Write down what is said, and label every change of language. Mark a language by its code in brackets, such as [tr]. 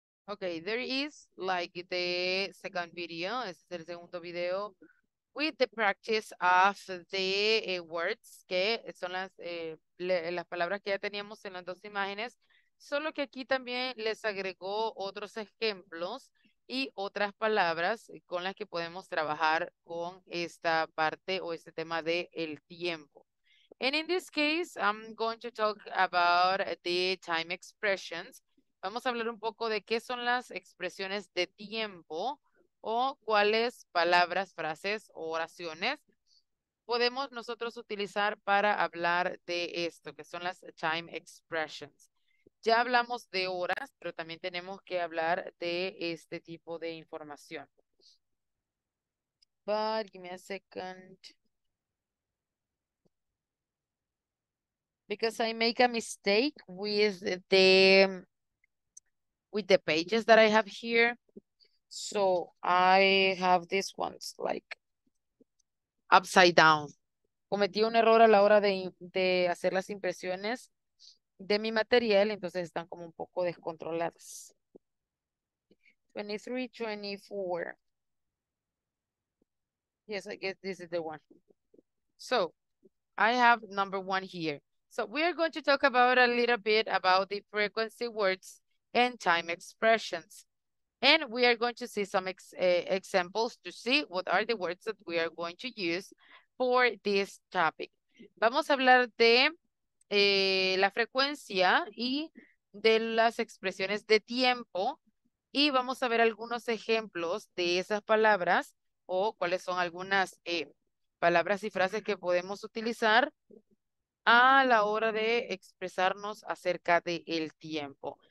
[en] Okay, there is like the second video, [es] es el segundo video, [en] with the practice of the words, [es] que son las palabras que ya teníamos en las dos imágenes, solo que aquí también les agregó otros ejemplos y otras palabras con las que podemos trabajar con esta parte o este tema de el tiempo. [en] And in this case, I'm going to talk about the time expressions. [es] Vamos a hablar un poco de qué son las expresiones de tiempo o cuáles palabras, frases o oraciones podemos nosotros utilizar para hablar de esto, que son las time expressions. Ya hablamos de horas, pero también tenemos que hablar de este tipo de información. [en] But give me a second. Because I make a mistake with the pages that I have here. So I have these ones like upside down. [es] Cometí un error a la hora de hacer las impresiones de mi material, entonces están como un poco descontroladas. [en] 23, 24. Yes, I guess this is the one. So I have number one here. So we are going to talk about a little bit about the frequency words and time expressions. And we are going to see some examples to see what are the words that we are going to use for this topic. [es] Vamos a hablar de la frecuencia y de las expresiones de tiempo y vamos a ver algunos ejemplos de esas palabras o cuáles son algunas palabras y frases que podemos utilizar a la hora de expresarnos acerca del tiempo.